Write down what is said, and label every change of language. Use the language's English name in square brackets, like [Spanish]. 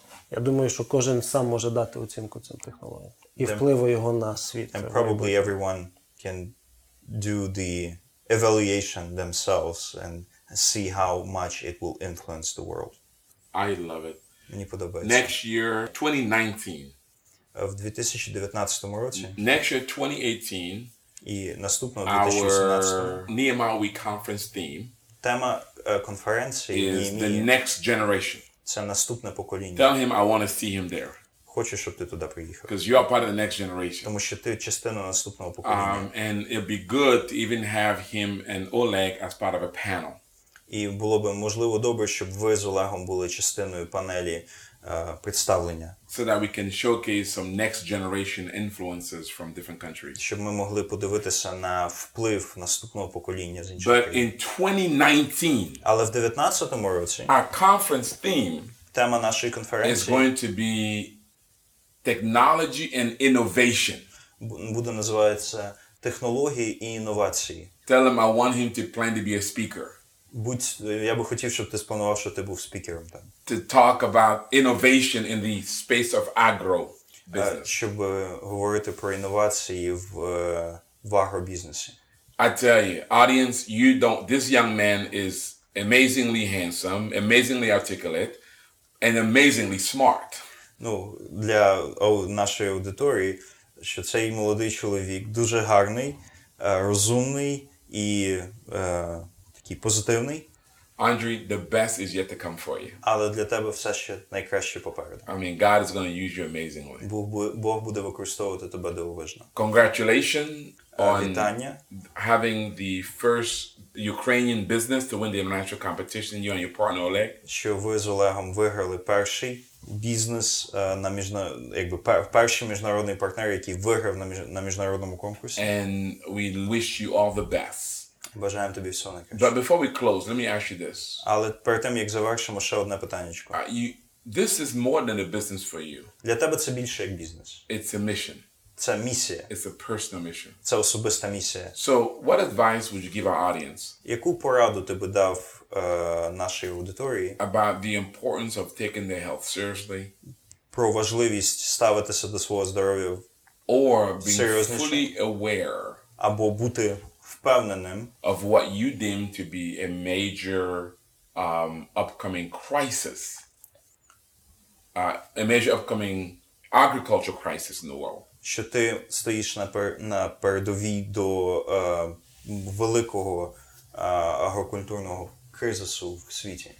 [Ukrainian] Я думаю, що кожен сам може дати оцінку цим технологіям і впливу його на світ. [English] And probably everyone can do the evaluation themselves and see how much it will influence the world. I love it. [Ukrainian] Мені подобається. [English] Next year, 2019. [Ukrainian] В 2019 році. [English] Next year, 2018. [Ukrainian] І наступного 2018. [English] Our NEAMAWI conference theme. [Ukrainian] Тема конференції [English] is the next generation. [Ukrainian] Це наступне покоління. [English] Tell him I want to see him there. [Ukrainian] Хочу, щоб ти туди приїхав. [English] Because you are part of the next generation. [Ukrainian] Тому що ти частина наступного покоління. [English] And it'd be good to even have him and Oleg as part of a panel. [Ukrainian] І було б можливо добре, щоб ви з Олегом були частиною панелі представлення. [English] So that we can showcase some next generation influences from different countries. [Ukrainian] Щоб ми могли подивитися на вплив наступного покоління з інших. [English] But in 2019, [Ukrainian] але в 2019 році, [English] our conference theme, [Ukrainian] тема нашої конференції, [English] is going to be technology and innovation. [Ukrainian] Буде називатися технології і інновації. [English] Tell him I want him to plan to be a speaker. [Ukrainian] Будь, я би хотів, щоб ти спланував, що ти був спікером там. [English] To talk about innovation in the space of agro business. [Ukrainian] Щоб говорити про інновації в агробізнесі. [English] I tell you, audience, you don't, this young man is amazingly handsome, amazingly articulate, and amazingly smart. [Ukrainian] Ну, для нашої аудиторії, що цей молодий чоловік дуже гарний, розумний і позитивний. [English] Andre, the best is yet to come for you. [Ukrainian] Але для тебе все ще найкраще попереду. [English] I mean, God is going to use you amazingly. [Ukrainian] Бог буде використовувати тебе дивовижно. [English] Congratulations on having the first Ukrainian business to win the international competition, you and your partner Oleg. [Ukrainian] Що ви з Олегом виграли перший бізнес на перший міжнародний партнер, який виграв на міжнародному конкурсі. [English] And we wish you all the best. [Ukrainian] Бажаємо тобі всього найкраще. [English] But before we close, let me ask you this. [Ukrainian] Але перед тим, як завершимо, ще одне питаннячко. [English] This is more than a business for you. [Ukrainian] Для тебе це більше, як бізнес. [English] It's a mission. [Ukrainian] Це місія. [English] It's a personal mission. [Ukrainian] Це особиста місія. [English] So, what advice would you give our audience? [Ukrainian] Яку пораду ти би дав нашій аудиторії? [English] About the importance of taking their health seriously. [Ukrainian] Про важливість ставитися до свого здоров'я. [English] Or being fully aware. [Ukrainian] Або бути впевненим [English] of what you deem to be a major upcoming crisis, a major upcoming agricultural crisis in the world. [Ukrainian] Що ти стоїш на передовій до великого агрокультурного кризису в світі.